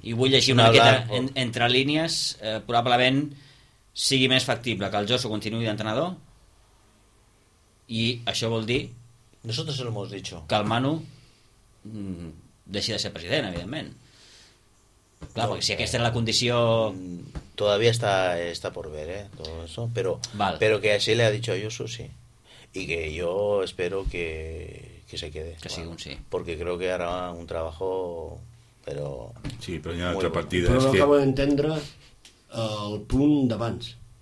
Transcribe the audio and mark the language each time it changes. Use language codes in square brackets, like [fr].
[ca] i vull llegir una miqueta entre línies, probablement sigui més factible que el Josu continuï d'entrenador... Y això vol dir, nosaltres ho hem dit, que el Manu deixi de ser president, evidentment. Clar, no, perquè si aquesta era la condició, [es] todavía está por ver, todo eso, pero que [ca] així li ha dit a Josu, [es] sí. Y que yo espero que se quede. [ca] Que sigui un sí, [es] porque creo que hará un trabajo, pero [ca] sí, però hi ha altra partida, però és que acabo d'entendre el punt d'abans.